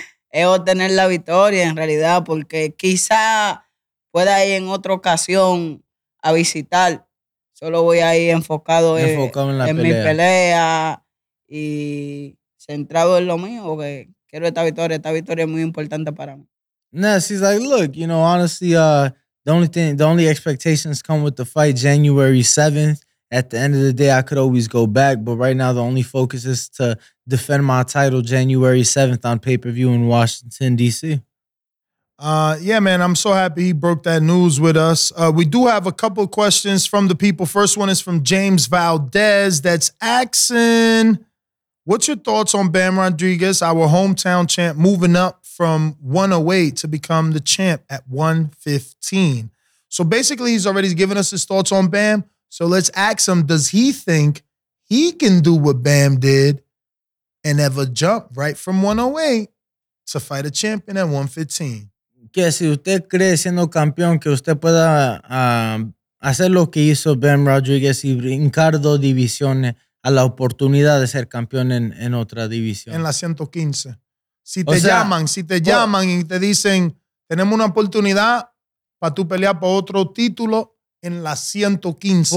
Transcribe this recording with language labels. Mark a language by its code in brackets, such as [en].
[es] Es obtener la victoria en realidad porque quizá pueda ir en otra ocasión a visitar. Solo voy a ir enfocado en la pelea. Mi pelea y centrado en lo mío, que quiero esta victoria es muy importante para mí. [en] Nah, she's like, look, you know, honestly, The only expectations come with the fight January 7th. At the end of the day, I could always go back. But right now, the only focus is to defend my title January 7th on pay-per-view in Washington, D.C. Yeah, man. I'm so happy he broke that news with us. We do have a couple questions from the people. First one is from James Valdez. That's asking, what's your thoughts on Bam Rodriguez, our hometown champ, moving up from 108 to become the champ at 115? So basically, he's already given us his thoughts on Bam. So let's ask him, does he think he can do what Bam did and ever jump right from 108 to fight a champion at 115? [es] Que si usted cree siendo campeón que usted pueda hacer lo que hizo Bam Rodriguez y brincar dos divisiones a la oportunidad de ser campeón en otra división. En la 115. Si te llaman y te dicen, tenemos una oportunidad para tú pelear por otro título en la 115.